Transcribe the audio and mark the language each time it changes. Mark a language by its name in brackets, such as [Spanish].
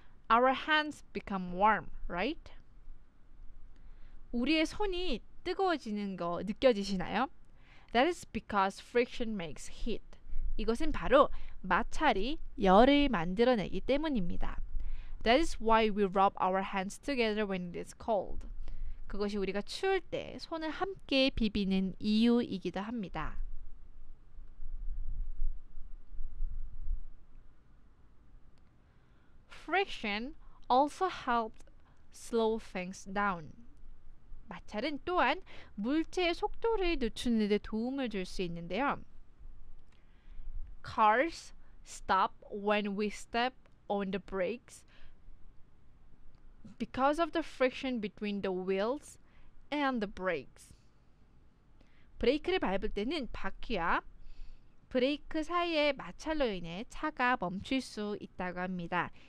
[English] Our hands become warm, right? [Korean] 우리의 손이 뜨거워지는 거 느껴지시나요? [English] That is because friction makes heat. [Korean] 이것은 바로 마찰이 열을 만들어내기 때문입니다. [English] That is why we rub our hands together when it is cold. [Korean] 그것이 우리가 추울 때 손을 함께 비비는 이유이기도 합니다. [English] Friction also helped slow things down. [Korean] 마찰은 또한 물체의 속도를 늦추는 데 도움을 줄 수 있는데요. [English] Cars stop when we step on the brakes because of the friction between the wheels and the brakes. [Korean] 브레이크를 밟을 때는 바퀴와 브레이크 사이의 마찰로 인해 차가 멈출 수 있다고 합니다.